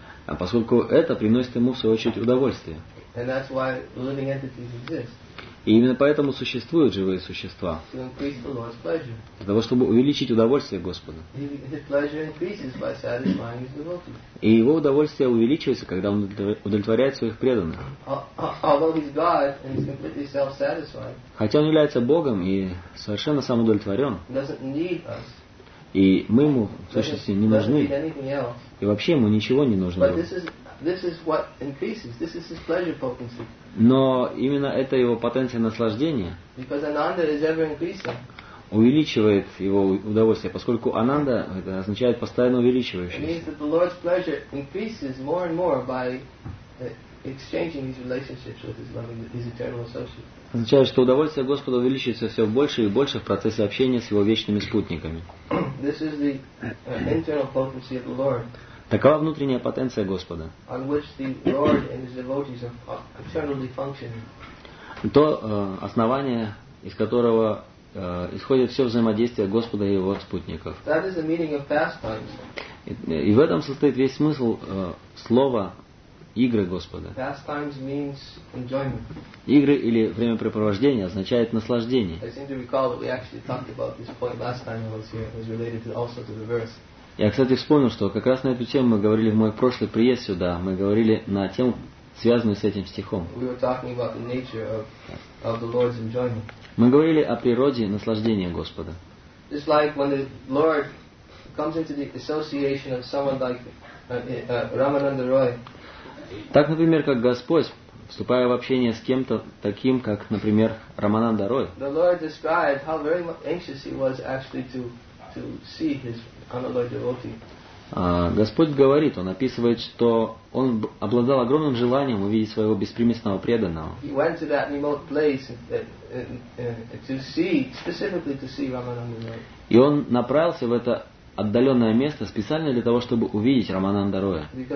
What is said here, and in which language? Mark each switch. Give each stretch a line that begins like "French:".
Russian: А поскольку это приносит ему в свою очередь удовольствие.
English: And that's why living entities exist.
Russian: И именно поэтому существуют живые существа.
English: To increase the Lord's pleasure.
Russian: Для того, чтобы увеличить удовольствие Господа.
English: His pleasure increases by satisfying his devotees.
Russian: И его удовольствие увеличивается, когда он удовлетворяет своих преданных.
English: Although he's God and he's completely self-satisfied.
Russian: Хотя он является Богом и совершенно самоудовлетворен.
English: He doesn't need us.
Russian: И мы ему в сущности не нужны. И вообще ему ничего не нужно.
English: This is what increases. This is his pleasure potency.
Russian: Но именно это его потенция наслаждения.
English: Because Ananda is ever increasing.
Russian: Увеличивает его удовольствие, поскольку Ананда это означает постоянно увеличивающееся.
English: It means that the Lord's pleasure increases more and more by exchanging his relationships with his loving, his eternal associates.
Russian: Означает, что удовольствие Господа увеличивается все больше и больше в процессе общения с его вечными спутниками.
English: This is the internal potency of the Lord.
Russian: Такова внутренняя потенция Господа.
English: On which the Lord and his devotees are eternally functioning.
Russian: То основание, из которого исходит все взаимодействие Господа и его спутников.
English: That is the meaning of pastimes.
Russian: И в этом состоит весь смысл слова «игры Господа».
English: Pastimes means enjoyment.
Russian: Игры или времяпрепровождение означает наслаждение.
English: I seem to recall that we actually talked about this point last time I was here. It was related also to the verse.
Russian: Я, кстати, вспомнил, что как раз на эту тему мы говорили в мой прошлый приезд сюда. Мы говорили на тему, связанную с этим стихом.
English: We were talking about the nature of the Lord's enjoyment.
Russian: Мы говорили о природе наслаждения Господа.
English: Just like when the Lord comes into the association of someone like Ramananda Roy.
Russian: Так, например, как Господь, вступая в общение с кем-то таким, как, например, Рамананда Рой.
English: The Lord described how very anxious he was actually to see his Ananda devotee.
Russian: Господь говорит, Он описывает, что Он обладал огромным желанием увидеть своего беспримесного преданного. И Он направился в это отдаленное место специально для того, чтобы увидеть Рамананда Роя.